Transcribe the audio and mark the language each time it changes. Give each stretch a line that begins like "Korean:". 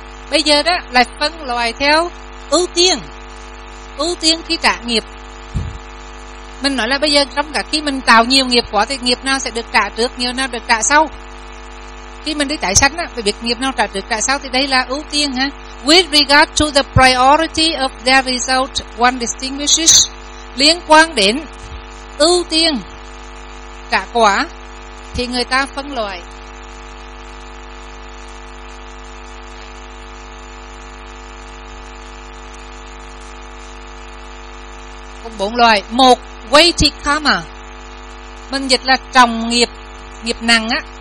Vietnamese: Bây giờ đó là phân loại theo ưu tiên. Ưu tiên khi trả nghiệp. Mình nói là bây giờ trong cả khi mình tạo nhiều nghiệp quá thì nghiệp nào sẽ được trả trước, nghiệp nào được trả sau. Khi mình đi tái sanh á, phải biết nghiệp nào trả trước trả sau thì đây là ưu tiên ha.
English: With regard to the priority of their result, one distinguishes.
Vietnamese: Liên quan đến ưu tiên trả quả thì người ta phân loại. Cùng bốn loại. Một,
English: weighty karma.
Vietnamese: Mình dịch là trọng nghiệp, nghiệp nặng á.